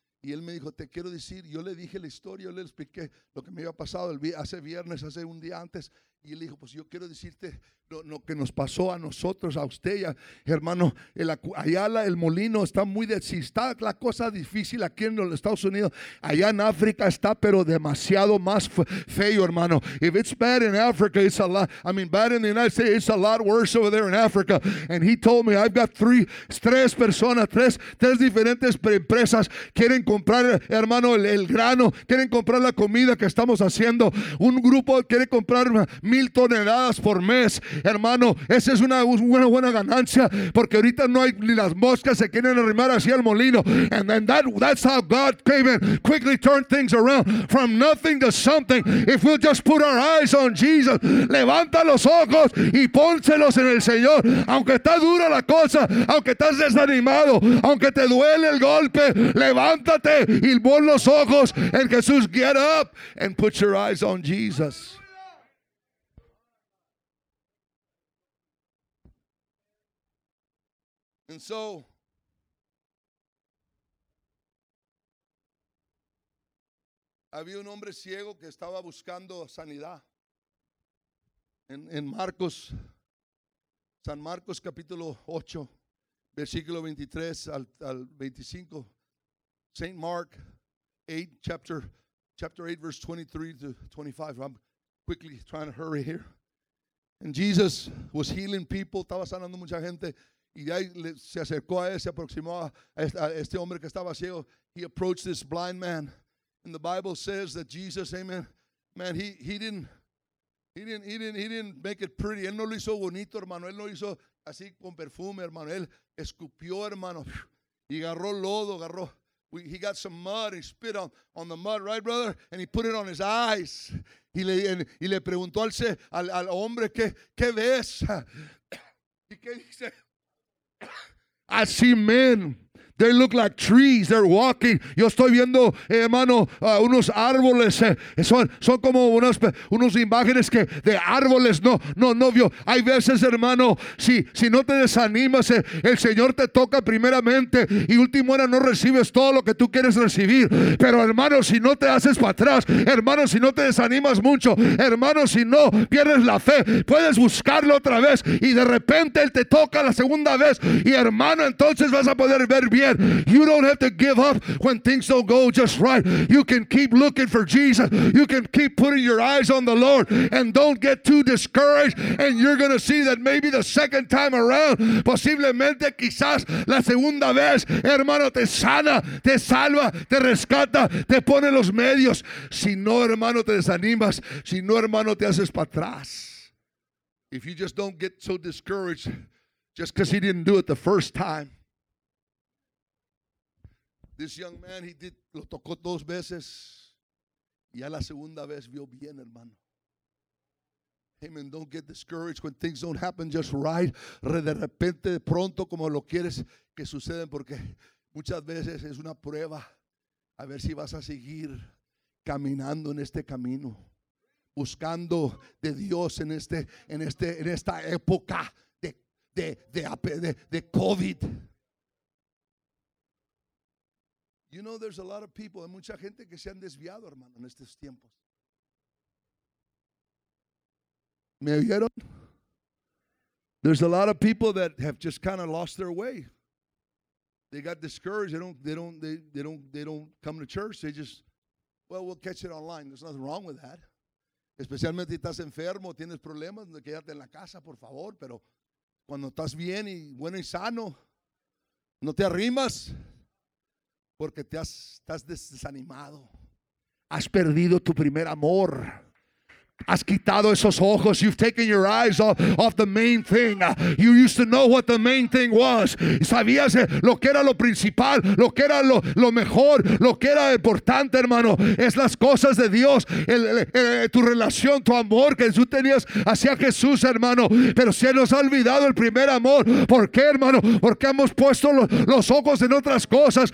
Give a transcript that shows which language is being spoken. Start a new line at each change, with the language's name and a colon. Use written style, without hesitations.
Spanish: Y él me dijo, te quiero decir, yo le dije la historia, yo le expliqué lo que me había pasado hace viernes, hace un día antes. Y él dijo, pues yo quiero decirte lo que nos pasó a nosotros, a usted y a hermano. El molino está muy, si está la cosa difícil aquí en los Estados Unidos, allá en África está pero demasiado más feo, hermano.
English: If it's bad in Africa, it's a lot. I mean, bad in the United States, it's a lot worse over there in Africa. And he told me, I've got
Spanish: tres diferentes empresas quieren comprar, hermano, el grano, quieren comprar la comida que estamos haciendo. Un grupo quiere comprar 1,000 toneladas por mes, hermano. Esa es una buena ganancia, porque ahorita no hay ni las moscas se quieren arrimar hacia el molino.
English: And then that's how God came in, quickly turned things around from nothing to something. If we'll just put our eyes on Jesus,
Spanish: levanta los ojos y pónselos en el Señor. Aunque está dura la cosa, aunque estás desanimado, aunque te duele el golpe, levántate y pon los ojos en Jesús.
English: Get up and put your eyes on Jesus. And so,
Spanish: había un hombre ciego que estaba buscando sanidad. En Marcos, San Marcos capítulo 8, versículo 23 al 25. St.
English: Mark 8, chapter 8, verse 23 to 25. I'm quickly trying to hurry here. And Jesus was healing people,
Spanish: estaba sanando mucha gente. Y de ahí se acercó a él, se aproximó a este hombre que estaba ciego.
English: He approached this blind man. And the Bible says that Jesus, amen, man, he didn't make it pretty.
Spanish: Él no lo hizo bonito, hermano. Él no lo hizo así con perfume, hermano. Él escupió, hermano. Y agarró lodo, agarró.
English: He got some mud. He spit on the mud, right, brother? And he put it on his eyes.
Spanish: Y le preguntó al hombre, ¿qué ves? ¿Y qué dice?
English: I see men. They look like trees. They're walking.
Spanish: Yo estoy viendo, hermano, unos árboles. Son como unos imágenes que de árboles. No vio. Hay veces, hermano, si no te desanimas, el Señor te toca primeramente y último hora no recibes todo lo que tú quieres recibir. Pero, hermano, si no te haces para atrás, hermano, si no te desanimas mucho, hermano, si no pierdes la fe, puedes buscarlo otra vez y de repente Él te toca la segunda vez y, hermano, entonces vas a poder ver bien.
English: You don't have to give up when things don't go just right. You can keep looking for Jesus. You can keep putting your eyes on the Lord. And don't get too discouraged. And you're going to see that maybe the second time around,
Spanish: posiblemente quizás la segunda vez, hermano, te sana, te salva, te rescata, te pone los medios. Si no, hermano, te desanimas. Si no, hermano, te haces para atrás.
English: If you just don't get so discouraged just because he didn't do it the first time. This young man, he did,
Spanish: lo tocó dos veces. Y a la segunda vez vio bien, hermano. Amen.
English: Don't get discouraged when things don't happen just right.
Spanish: De repente, de pronto, como lo quieres que suceden, porque muchas veces es una prueba. A ver si vas a seguir caminando en este camino. Buscando de Dios en esta época de COVID.
English: You know, there's a lot of people,
Spanish: hay mucha gente que se han desviado, hermano, en estos tiempos. ¿Me oyeron?
English: There's a lot of people that have just kind of lost their way. They got discouraged. They don't come to church. They just, well, we'll catch it online. There's nothing wrong with that.
Spanish: Especialmente si estás enfermo, tienes problemas, quédate en la casa, por favor. Pero cuando estás bien y bueno y sano, no te arrimas. Porque estás desanimado. Has perdido tu primer amor. Has quitado esos ojos.
English: You've taken your eyes off the main thing. You used to know what the main thing was.
Spanish: Sabías lo que era lo principal, lo que era lo mejor, lo que era importante, hermano. Es las cosas de Dios, tu relación, tu amor que tú tenías hacia Jesús, hermano. Pero se nos ha olvidado el primer amor. ¿Por qué, hermano? Porque hemos puesto los ojos en otras cosas.